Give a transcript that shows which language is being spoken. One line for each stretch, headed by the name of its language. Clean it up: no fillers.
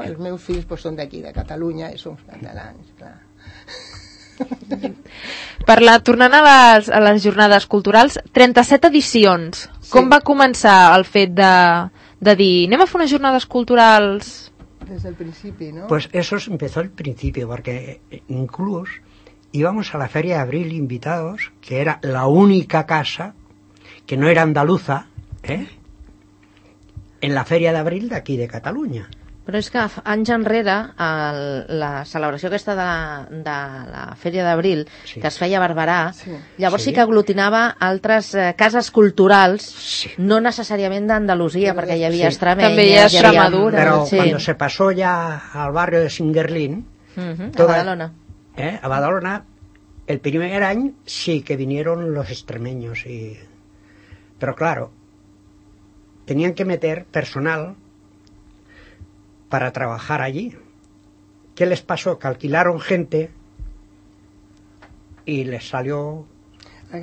Catalan: Els meus fills pues, són d'aquí, de Catalunya, i som catalans, clar. Tornant a les jornades culturals, 37 edicions. Sí. Com va començar el fet de dir, anem a fer unes jornades culturals? Des del principi, no?
Spanish: Pues eso empezó al principio, porque incluso íbamos a la Feria de Abril invitados, que era la única casa que no era andaluza, en la Feria de Abril d'aquí de Catalunya.
Catalan: Però és que anys enrere, la celebració aquesta de la Feria d'Abril, sí. Que es feia a Barberà, sí. Llavors sí que aglutinava altres cases culturals, sí. No necessàriament d'Andalusia, perquè hi havia Estremenya, també hi ha Extremadura. Però quan se pasó ja al barri de Singuerlín, A Badalona.
Spanish: A Badalona,
Catalan: el primer any sí que
Spanish: vinieron los extremeños, pero claro, tenían que meter personal para trabajar allí. ¿Qué les pasó? Que alquilaron gente y les salió mal.